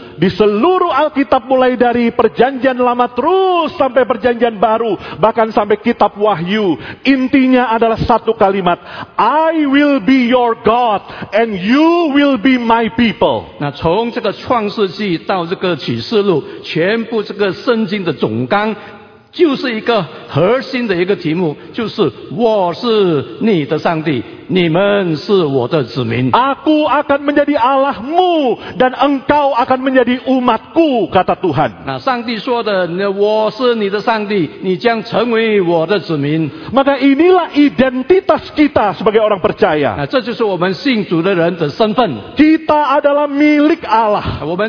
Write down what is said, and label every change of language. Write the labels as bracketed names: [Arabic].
[Indonesian] Di seluruh Alkitab mulai dari perjanjian lama terus sampai perjanjian baru, bahkan sampai kitab Wahyu, intinya adalah satu kalimat, [English] I will be your God and you will be my people. [Chinese] Nah, 从这个创世纪到这个启示录，全部这个圣经的总纲 就是一个核心的一个题目，就是我是你的上帝，你们是我的子民。 [Indonesian] Aku akan menjadi Allahmu dan engkau akan menjadi umatku, kata Tuhan. [Chinese] Nah, 上帝说的，我是你的上帝，你将成为我的子民。 [Indonesian] Maka inilah identitas kita sebagai orang percaya. [Chinese] Nah, 这就是我们信主的人的身份。 [Indonesian] Kita adalah milik Allah.